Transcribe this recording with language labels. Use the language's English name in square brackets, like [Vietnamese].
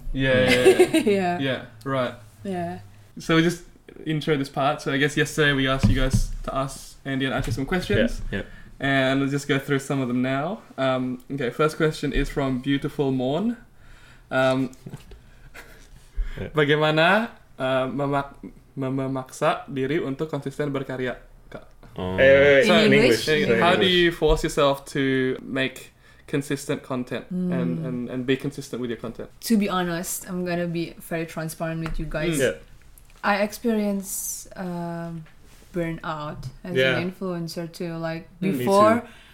[English] So we just intro this part. So I guess yesterday we asked you guys to ask Andy and Archer some questions. And we'll just go through some of them now. Okay, first question is from Beautiful Morn. [Indonesian] Bagaimana memaksa diri untuk konsisten berkarya, Kak? [English] In English. How do you force yourself to make consistent content and be consistent with your content? To be honest, I'm going to be very transparent with you guys. I experience burnout as an influencer too, like before.